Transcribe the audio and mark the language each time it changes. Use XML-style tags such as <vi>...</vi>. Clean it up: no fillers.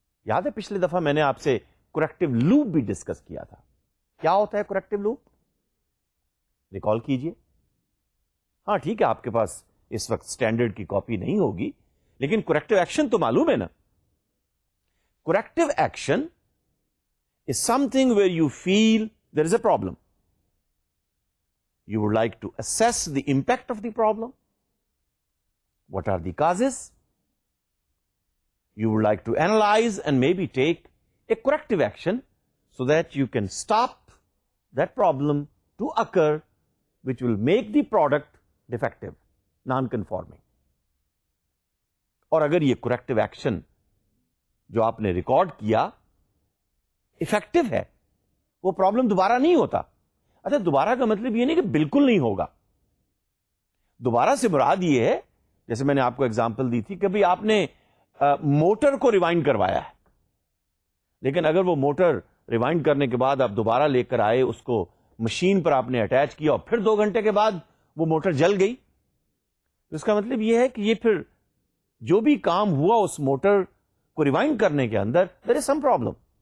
<ur>یاد ہے پچھلی دفعہ میں نے آپ سے کریکٹو لوپ بھی ڈسکس کیا تھا, کیا ہوتا ہے کریکٹو لوپ, ریکال کیجئے. ہاں ٹھیک ہے, آپ کے پاس اس وقت سٹینڈرڈ کی کاپی نہیں ہوگی, لیکن کریکٹو ایکشن تو معلوم ہے نا.</ur> <en>Corrective action is something where you feel there is a problem. You would like to assess the impact of the problem. What are the causes? You would like to analyze and maybe take a corrective action so that you can stop that problem to occur, which will make the product defective, non-conforming.</en> <ur>Aur agar ye corrective action جو آپ نے record کیا effective ہے, وہ problem دوبارہ نہیں ہوتا. اچھا دوبارہ کا مطلب یہ نہیں کہ بالکل نہیں ہوگا, دوبارہ سے مراد یہ ہے جیسے میں نے آپ کو ایگزامپل دی تھی کہ آپ نے موٹر کو ریوائنڈ کروایا ہے, لیکن اگر وہ موٹر ریوائنڈ کرنے کے بعد آپ دوبارہ لے کر آئے, اس کو مشین پر آپ نے اٹیچ کیا اور پھر دو گھنٹے کے بعد وہ موٹر جل گئی, اس کا مطلب یہ ہے کہ یہ پھر جو بھی کام ہوا اس موٹر ریوائنڈ کرنے کے اندر,</ur> <en>There is some problem.</en>